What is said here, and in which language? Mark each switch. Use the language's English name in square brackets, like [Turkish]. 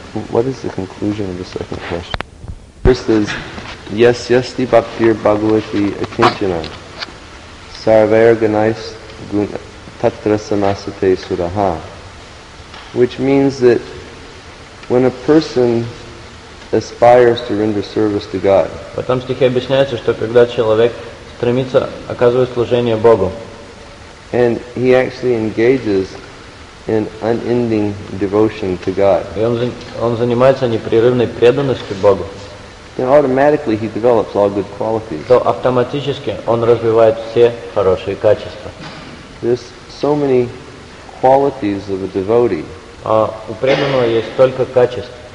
[English] what is the conclusion of the second question? First is, yes, yes, the [Sanskrit] bhaktir bhagavati akinchana sarvair ganais tatra samasate suraha, [English] which means that when a person aspires to render service to God. [Russian] Потом стихи объясняются, что когда человек стремится оказывать служение Богу. [English] And he actually engages in unending devotion to God. [Russian] И он занимается непрерывной преданностью Богу. [English] Then automatically he develops all good qualities. [Russian] То автоматически он развивает все хорошие качества. [English] There's so many qualities of a devotee. [Russian] А у преданного есть столько качеств.